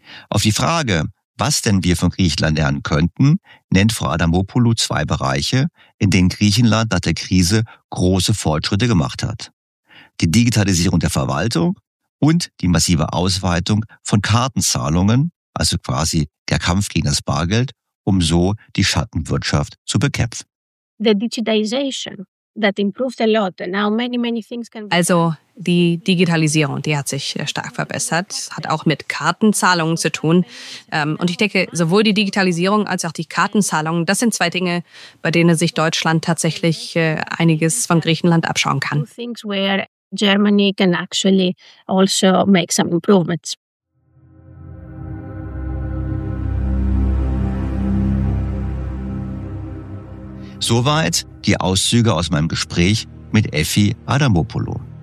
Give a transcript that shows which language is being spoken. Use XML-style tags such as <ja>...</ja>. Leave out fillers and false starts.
<de>Auf die Frage, was denn wir von Griechenland lernen könnten, nennt Frau Adamopoulou zwei Bereiche, in denen Griechenland nach der Krise große Fortschritte gemacht hat. Die Digitalisierung der Verwaltung und die massive Ausweitung von Kartenzahlungen, also quasi der Kampf gegen das Bargeld, um so die Schattenwirtschaft zu bekämpfen.</de> <en>The digitization that improved a lot. Now many things can be.</en> <de>Also Die Digitalisierung, die hat sich stark verbessert, hat auch mit Kartenzahlungen zu tun. Und ich denke, sowohl die Digitalisierung als auch die Kartenzahlungen, das sind zwei Dinge, bei denen sich Deutschland tatsächlich einiges von Griechenland abschauen kann. Soweit die Auszüge aus meinem Gespräch mit Effi Adamopoulou.</de>